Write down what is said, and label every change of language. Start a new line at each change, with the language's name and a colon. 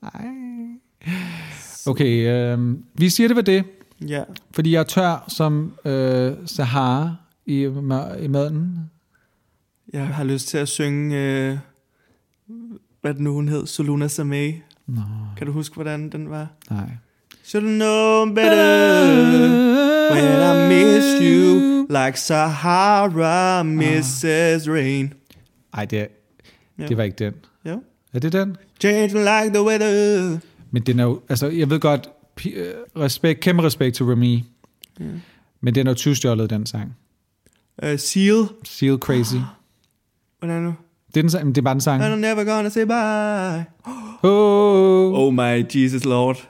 Danish: Ej. Okay, vi siger det ved det. Ja. Fordi jeg er tør som Sahara. I maden. Jeg har lyst til at synge, hvad nu hun hed, Soluna Samay.
English: No.
Danish: Kan du huske, hvordan den var? Nej.
English: Should've known better when I missed you like Sahara misses rain.
Danish: Ej, det var ikke den. Ja. Er det den?
English: Change like the weather.
Danish: Men den er jo, altså jeg ved godt, respekt, kæmpe respekt til Remy. Ja. Men den er jo tyvstjålet, den sang.
English: Seal Crazy.
Danish: Hvordan nu? Det er bare den sang.
English: I'm never gonna say bye. Oh. Oh my Jesus Lord.